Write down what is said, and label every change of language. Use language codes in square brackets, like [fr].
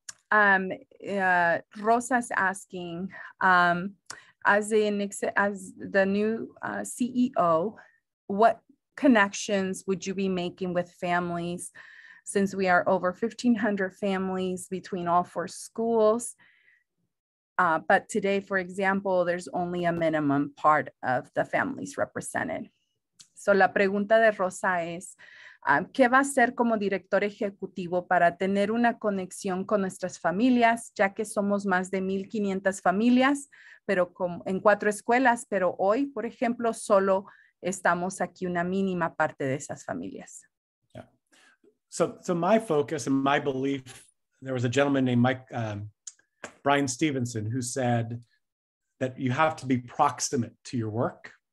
[en] Rosa's asking, as the new CEO, what connections would you be making with families, since we are over 1,500 families between all 4 schools? But today, for example, there's only a minimum part of the families represented. [es] So la pregunta de Rosa es, ¿qué va a hacer como director ejecutivo para tener una conexión con nuestras familias, ya que somos más de 1,500 familias, pero en 4 escuelas, pero hoy, por ejemplo, solo estamos aquí una mínima parte de esas familias? Yeah. So my focus and my belief, there was a gentleman named Brian Stevenson, who said that you have to be proximate to your work.